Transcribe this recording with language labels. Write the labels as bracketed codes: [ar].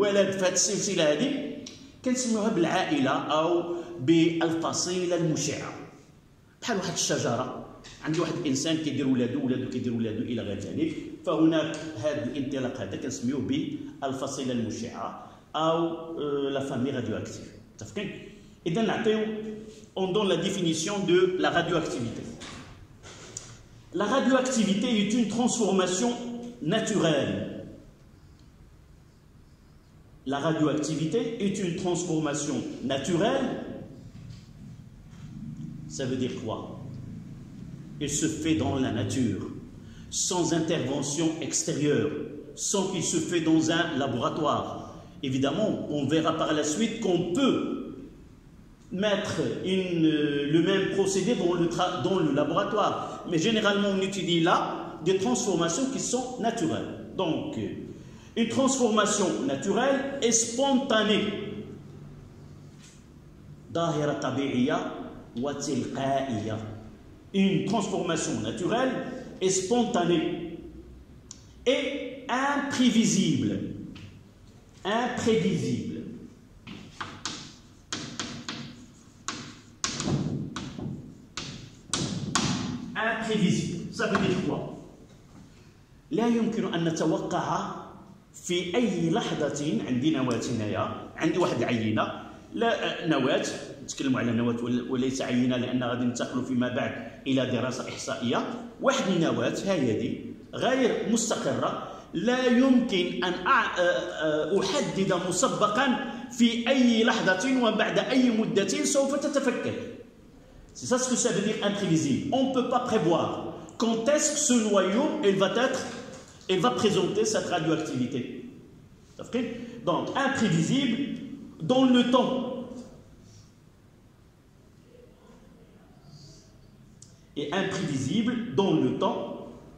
[ar] في هذه السلسلة هذه كنسميوها بالعائلة أو بالفصيلة المشعة بحال واحد الشجرة عندي واحد الإنسان كيدير ولاده كيدير ولاده إلى غير ذلك فهناك هذا الانطلاق هذا كنسميوه بالفصيلة المشعة أو لا فامي راديواكتيف اتفقين إذا نعطيو [fr] اون دون لا ديفينيسيون دو لا راديواكتيفيتي La radioactivité est une transformation naturelle. La radioactivité est une transformation naturelle. Ça veut dire quoi ? Elle se fait dans la nature, sans intervention extérieure, sans qu'il se fait dans un laboratoire. Évidemment, on verra par la suite qu'on peut mettre le même procédé dans le laboratoire. Mais généralement, on étudie là des transformations qui sont naturelles. Donc, une transformation naturelle est spontanée. [ar] Dahira tabi'iya wa tilqa'iya. [fr] Une transformation naturelle est spontanée et imprévisible. Imprévisible. Imprévisible. Ça veut dire quoi ? [ar] لا يمكن أن نتوقع في أي لحظة عندي نواة هنايا عندي واحد عينة لا نواة نتكلم على نواة وليس عينة لأن غادي ننتقلوا فيما بعد إلى دراسة إحصائية واحد النواة هي دي غير مستقرة لا يمكن أن أحدد مسبقا في أي لحظة وبعد أي مدة سوف تتفكك [fr] C'est ça ce que ça veut dire imprévisible. On ne peut pas prévoir quand est-ce que ce noyau il va présenter cette radioactivité. Donc imprévisible dans le temps. Et imprévisible dans le temps.